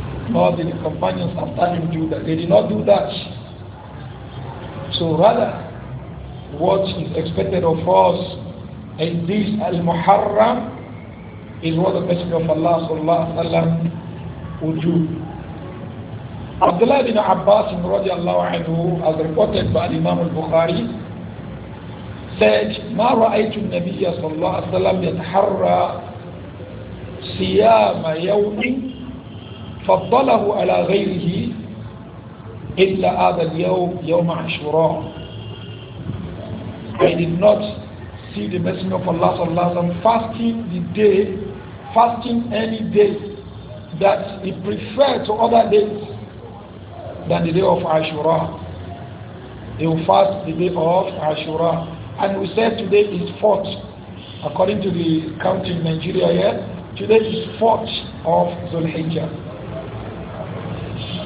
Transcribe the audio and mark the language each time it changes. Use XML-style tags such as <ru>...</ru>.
<en>They did not do that. So rather, what is expected of us in this Al-Muharram is what the Messenger of Allah sallallahu alaihi wasallam would do. Abdullah bin Abbas radiallahu anhu, as reported by Imam al-Bukhari, said,</en> <ar>ما رأيت النبي صلى الله عليه وسلم يتحرى صيام يوم فضله على غيره إلا هذا اليوم يوم عاشوراء.</ar> <en>I did not see the Messenger of Allah صلى الله عليه وسلم fasting any day that he preferred to other days than the day of Ashura. He will fast the day of Ashura. And we said today is fourth, according to the count in Nigeria here, today is fourth of Dhul-Hijjah.</en>